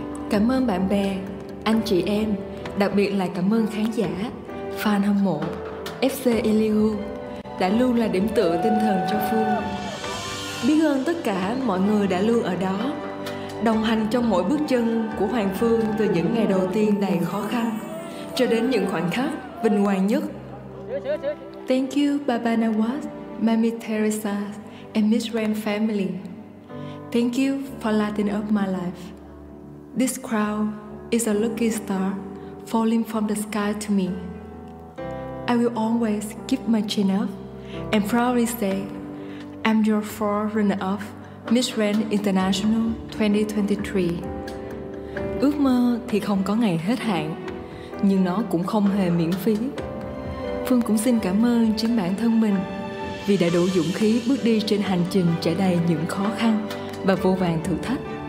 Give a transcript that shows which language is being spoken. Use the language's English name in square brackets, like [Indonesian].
[Vietnamese] Cảm ơn bạn bè, anh chị em, đặc biệt là cảm ơn khán giả, fan hâm mộ FC Elihu đã luôn là điểm tựa tinh thần cho Phương. Biết ơn tất cả mọi người đã luôn ở đó, đồng hành trong mỗi bước chân của Hoàng Phương từ những ngày đầu tiên đầy khó khăn cho đến những khoảnh khắc vinh hoàng nhất. [English] Thank you Baba Nawaz, Mami Teresa and Miss Ram family. Thank you for lighting up my life. This crown is a lucky star falling from the sky to me. I will always keep my chin up and proudly say, I'm your forerunner of Miss Grand International 2023. [Vietnamese] Ước mơ thì không có ngày hết hạn, nhưng nó cũng không hề miễn phí. Phương cũng xin cảm ơn chính bản thân mình vì đã đủ dũng khí bước đi trên hành trình trải đầy những khó khăn và vô vàn thử thách.